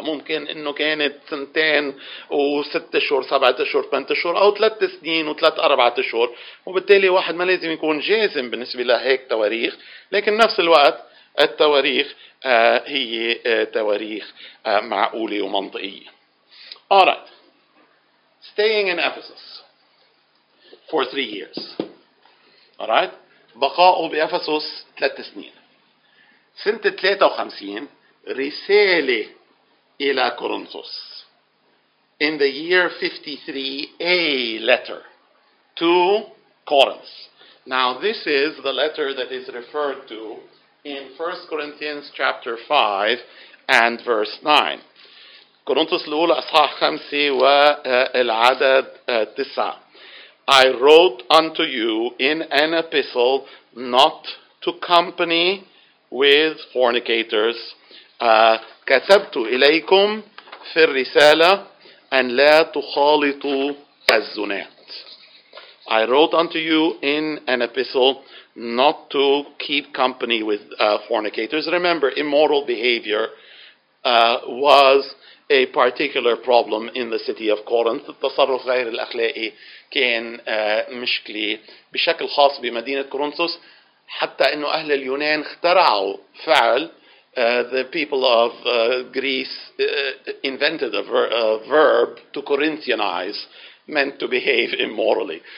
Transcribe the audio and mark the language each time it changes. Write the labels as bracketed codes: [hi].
[ar] ممكن إنه كانت سنتين وستة شهور، سبعة شهور، ثمانية شهور، أو ثلاث سنين وثلاث أربعة شهور. وبالتالي واحد ما لازم يكون جازم بالنسبة لهيك تواريخ. لكن نفس الوقت التواريخ هي تواريخ معقولة ومنطقية. [en] Alright. Staying in Ephesus for 3 years. [ar] Alright. بقاء بأفسس ثلاث سنين. سنة 53 رسالة إلى كورنثوس. [en] In the year 53, a letter to Corinth. Now this is the letter that is referred to in 1 Corinthians chapter 5 and verse 9. [ar] كورنثوس الأولى أصحاح 5 والعدد 9. [en] I wrote unto you in an epistle not to company with fornicators. [ar] كتبت إليكم في الرسالة أن لا تخالطوا الزنات. [en] I wrote unto you in an epistle not to keep company with fornicators. Remember, immoral behavior was a particular problem in the city of Corinth. [ar] التصرف غير الأخلاقي كان مشكلة بشكل خاص بمدينة كورنثوس، حتى أنه أهل اليونان اخترعوا فعل. [en] The people of Greece invented a verb to Corinthianize, meant to behave immorally.